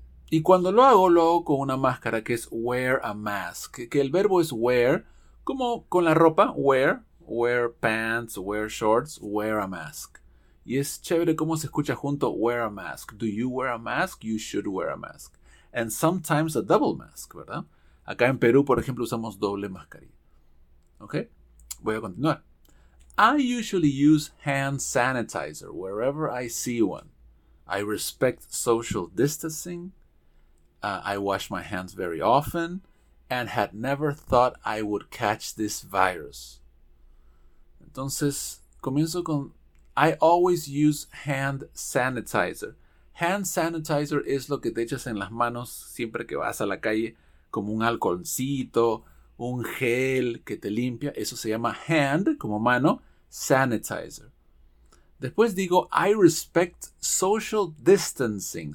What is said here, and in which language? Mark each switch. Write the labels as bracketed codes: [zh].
[es] Y cuando lo hago con una máscara que es wear a mask, que el verbo es wear. [en] Como con la ropa, wear pants, wear shorts, wear a mask. Y es chévere cómo se escucha junto, wear a mask. Do you wear a mask? You should wear a mask. And sometimes a double mask, ¿verdad? [es] Acá en Perú, por ejemplo, usamos doble mascarilla. ¿Ok? Voy a continuar. [en] I usually use hand sanitizer wherever I see one. I respect social distancing. I wash my hands very often. And had never thought I would catch this virus. Entonces, comienzo con... I always use hand sanitizer. [es] Hand sanitizer es lo que te echas en las manos siempre que vas a la calle. Como un alcoholcito, un gel que te limpia. Eso se llama hand, como mano, sanitizer. [en] Después digo, I respect social distancing.